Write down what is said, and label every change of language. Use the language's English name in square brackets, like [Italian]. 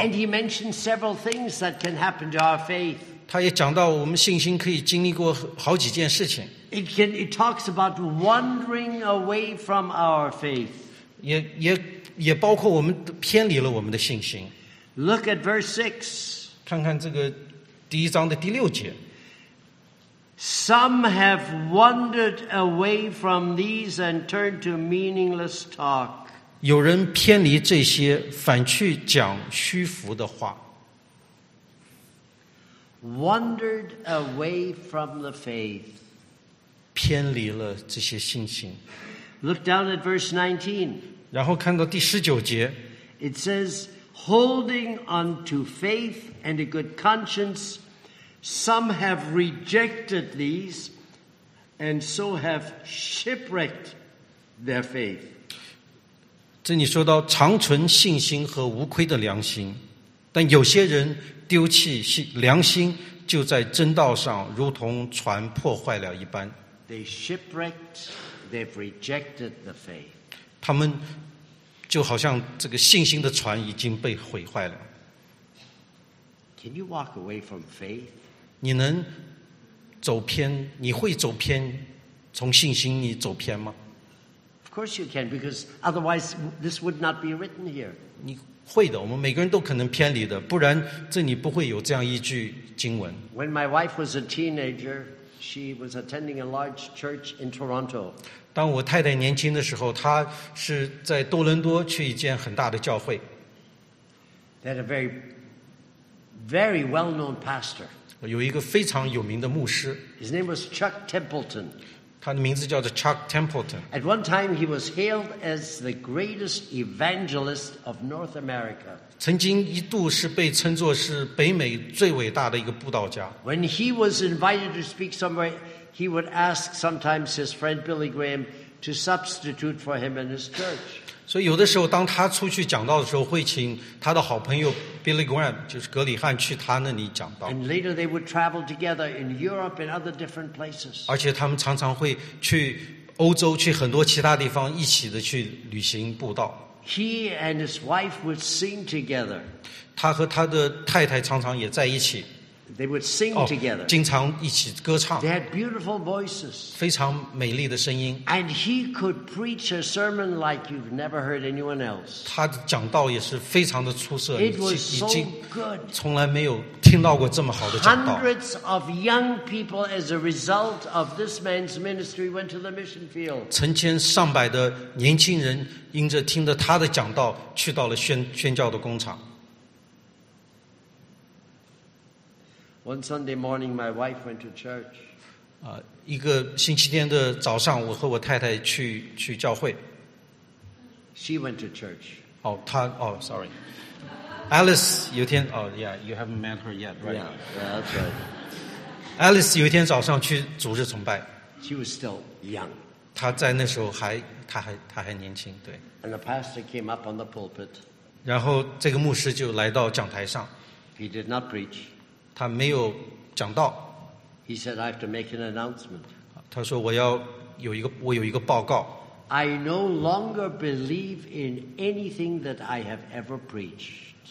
[English] And he mentions several things that can happen to our faith. [Chinese] 他也讲到我们信心可以经历过好几件事情。 [English] It talks about wandering away from our faith. [Chinese] 也包括我们偏离了我们的信心。 [English] Look at verse 6. [Chinese] 看看这个第一章的第六节。 [English] Some have wandered away from these and turned to meaningless talk. [Chinese] 有人偏离这些，反去讲虚浮的话。 [English] Wandered away from the faith. [Chinese] 偏离了这些信心。 [English] Look down at verse 19. [Chinese] 然后看到第十九节。 [English] It says, holding unto faith and a good conscience, some have rejected these, and so have shipwrecked their faith. [Chinese] 这里说到长存信心和无愧的良心，但有些人丢弃良心，就在真道上如同船破坏了一般。 [English] They shipwrecked, they've rejected the faith. [Chinese] 他们就好像这个信心的船已经被毁坏了。 [English] Can you walk away from faith? [Chinese] 你能走偏？你会走偏？从信心你走偏吗？ [English] Of course you can, because otherwise this would not be written here. [Chinese] 你会的，我们每个人都可能偏离的，不然这里不会有这样一句经文。 [English] When my wife was a teenager, she was attending a large church in Toronto. [Chinese] 当我太太年轻的时候，她是在多伦多去一间很大的教会。 [English] They had a very, very well-known pastor. [Chinese] 有一个非常有名的牧师。 [English] His name was Chuck Templeton. [Chinese] 他的名字叫做 Chuck Templeton. [English] At one time, he was hailed as the greatest evangelist of North America. [Chinese] 曾经一度是被称作是北美最伟大的一个布道家。 [English] When he was invited to speak somewhere, he would ask sometimes his friend Billy Graham to substitute for him in his church. [Chinese] 所以有的时候，当他出去讲道的时候，会请他的好朋友 Billy Graham, 就是格里汉，去他那里讲道。 [English] And later they would travel together in Europe and other different places. [Chinese] 而且他们常常会去欧洲，去很多其他地方一起的去旅行布道。 [English] He and his wife would sing together. [Chinese] 他和他的太太常常也在一起。 [English] They would sing together. [Chinese] 经常一起歌唱。 [English] They had beautiful voices. [Chinese] 非常美丽的声音。 [English] And he could preach a sermon like you've never heard anyone else. [Chinese] 他讲道也是非常的出色。 [English] It was so good. [Chinese] 从来没有听到过这么好的讲道。 [English] Hundreds of young people as a result of this man's ministry went to the mission field. [Chinese] 成千上百的年轻人因着听着他的讲道去到了宣教的工厂。 [English] One Sunday morning, my wife went to church. [Chinese] 一个星期天的早上，我和我太太去教会。 [English] She went to church. Sorry. Alice, [Chinese] 有天 [English] you haven't met her yet, right? Yeah, that's right. [Chinese] Alice 有一天早上去主日崇拜。 [English] She was still young. [Chinese] 她在那时候她还年轻，对。 [English] And the pastor came up on the pulpit. [Chinese] 然后这个牧师就来到讲台上。 [English] He did not preach. [Chinese] 他没有讲道。 [English] He said, "I have to make an announcement." [Chinese] 他说我有一个报告。 [English] I no longer believe in anything that I have ever preached.